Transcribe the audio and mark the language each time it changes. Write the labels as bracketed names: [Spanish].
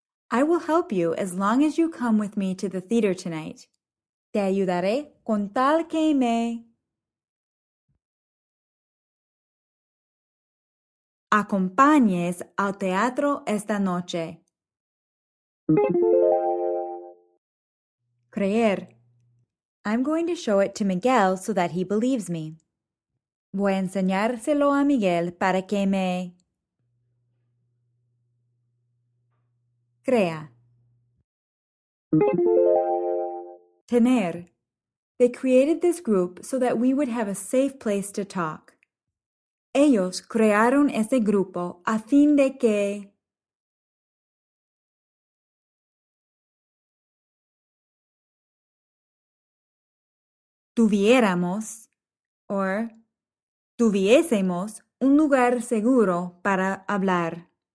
[English] I will help you as long as you come with me to the theater tonight. [Spanish] Te ayudaré con tal que me acompañes al teatro esta noche. Creer. [English] I'm going to show it to Miguel so that he believes me. [Spanish] Voy a enseñárselo a Miguel para que me crea. Tener. [English] They created this group so that we would have a safe place to talk. [Spanish] Ellos crearon ese grupo a fin de que tuviéramos, or tuviésemos, un lugar seguro para hablar.